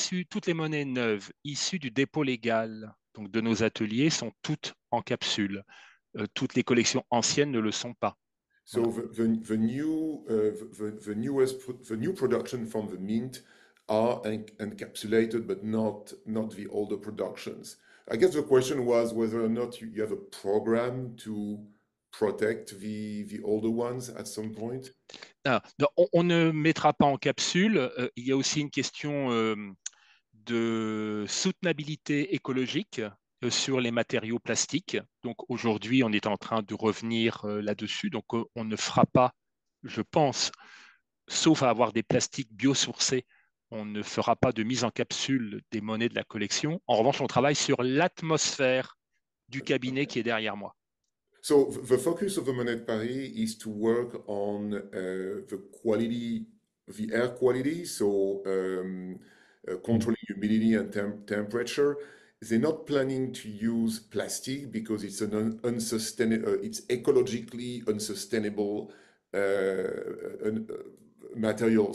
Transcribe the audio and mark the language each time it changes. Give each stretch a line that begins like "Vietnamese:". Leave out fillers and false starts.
French: Toutes les monnaies neuves issues du dépôt légal, donc de nos ateliers, sont toutes en capsule. Toutes les collections anciennes ne le sont pas.
English: So the new production from the mint are encapsulated, but not the older productions. I guess the question was whether or not you have a program to protect the older ones at some point.
French: On ne mettra pas en capsule. Il y a aussi une question de soutenabilité écologique sur les matériaux plastiques. Donc aujourd'hui, on est en train de revenir là-dessus. Donc on ne fera pas, je pense, sauf à avoir des plastiques biosourcés, on ne fera pas de mise en capsule des monnaies de la collection. En revanche, on travaille sur l'atmosphère du cabinet qui est derrière moi.
English: So the focus of the Monnaie de Paris is to work on the quality, the air quality, so controlling humidity and temperature. They're not planning to use plastic because it's an it's ecologically unsustainable material.